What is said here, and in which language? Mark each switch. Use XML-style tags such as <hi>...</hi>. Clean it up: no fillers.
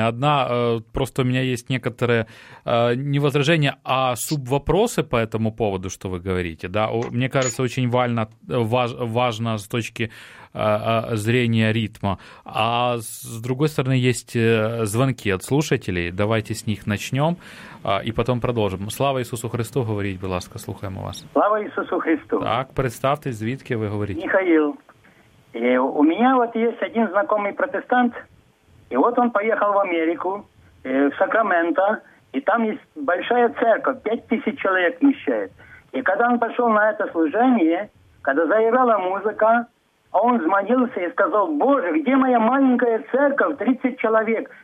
<ru>Одна, просто у меня есть некоторое, не возражение, а субвопросы по этому поводу, что вы говорите, да. Мне кажется, очень важно с точки зрения ритма. А с другой стороны, есть звонки от слушателей, давайте с них начнем. И потом продолжим.</ru> <uk>Слава Ісусу Христу, говоріть, будь ласка, слухаємо вас. Слава Ісусу Христу. Так, представтесь, звідки ви говорите?</uk> <ru>Михаил. У меня вот есть один знакомый протестант, и вот он поехал в Америку, в Сакраменто, и там есть большая церковь, 5000 человек вмещает. И когда он пошел на это служение, когда заиграла музыка, он взмолился и сказал: «Боже, где моя маленькая церковь, 30 человек?</ru>